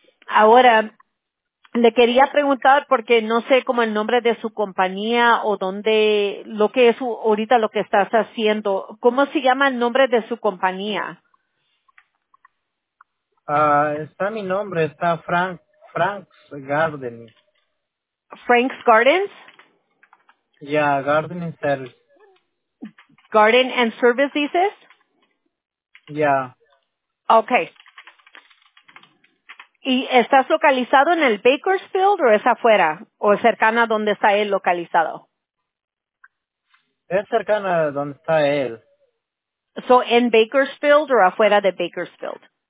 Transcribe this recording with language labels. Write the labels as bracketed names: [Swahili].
[Spanish] Ahora, le quería preguntar, porque no sé cómo el nombre de su compañía o dónde, lo que es ahorita lo que estás haciendo. ¿Cómo se llama el nombre de su compañía? Está mi nombre, está Frank's Gardens. ¿Frank's Gardens? [English] Ya, yeah, Gardening Service. [Spanish] Garden and Service, dices? [English] Yeah. Okay. [Spanish] ¿Y estás localizado en el Bakersfield o es afuera? ¿O cercana a donde está él localizado? Es cercana a donde está él. ¿So en Bakersfield o afuera de Bakersfield?